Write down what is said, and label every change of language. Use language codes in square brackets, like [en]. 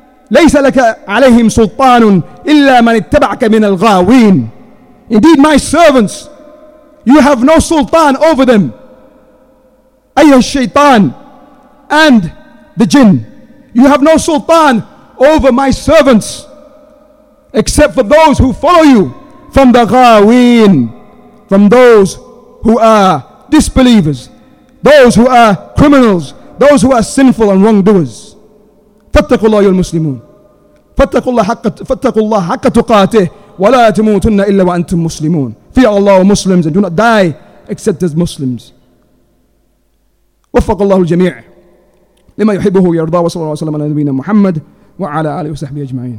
[ar] ليس لك عليهم سلطان إلا من اتبعك من الغاوين. [en] Indeed, my servants, you have no sultan over them. [ar] أيها الشيطان [en] and the jinn, you have no sultan over my servants, except for those who follow you from the غاوين, from those who are disbelievers, those who are criminals, those who are sinful and wrongdoers. [ar] فاتقوا الله المسلمون فاتقوا الله حق تقاته ولا تموتن إلا وأنتم مسلمون. [en] Fear Allah, Muslims, and do not die except as Muslims. [ar] وفق الله الجميع لما يحبه ويرضى وصلى الله وسلم على نبينا محمد وعلى آله وصحبه أجمعين.